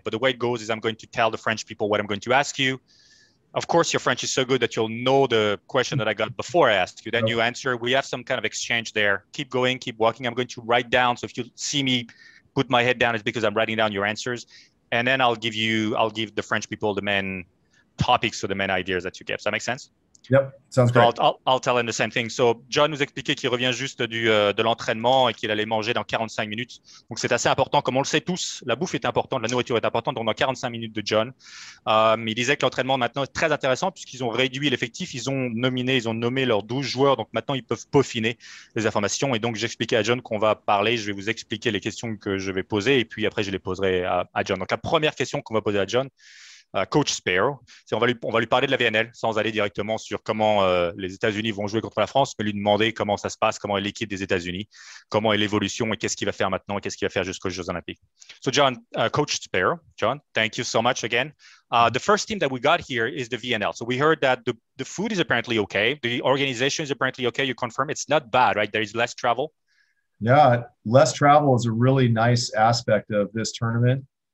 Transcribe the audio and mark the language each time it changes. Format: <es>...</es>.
<en>But the way it goes is I'm going to tell the French people what I'm going to ask you. Of course, your French is so good that you'll know the question that I got before I asked you. Then you answer. We have some kind of exchange there. Keep going. Keep walking. I'm going to write down. So if you see me put my head down, it's because I'm writing down your answers. And then I'll give the French people the main topics or the main ideas that you give. Does that make sense? Yep. Sounds great. I'll tell them the same thing.</en> <fr>So John nous expliquait qu'il revient juste de l'entraînement et qu'il allait manger dans 45 minutes. Donc c'est assez important. Comme on le sait tous, la bouffe est importante, la nourriture est importante. Donc dans 45 minutes de John, il disait que l'entraînement maintenant est très intéressant puisqu'ils ont réduit l'effectif, ils ont nommé leurs 12 joueurs. Donc maintenant ils peuvent peaufiner les informations. Et donc j'expliquais à John qu'on va parler. Je vais vous expliquer les questions que je vais poser et puis après je les poserai à John. Donc la première question qu'on va poser à John. Coach Speraw, on va lui parler de la VNL sans aller directement sur comment les États-Unis vont jouer contre la France, mais lui demander comment ça se passe, comment est l'équipe des États-Unis, comment est l'évolution et qu'est-ce qu'il va faire maintenant, qu'est-ce qu'il va faire jusqu'aux Jeux Olympiques.</fr> <en>So John, Coach Speraw, John, thank you so much again. The first team that we got here is the VNL. So we heard that the food is apparently okay, the organization is apparently okay. You confirm it's not bad, right? There is less travel. Yeah, less travel is a really nice aspect of this tournament.</en>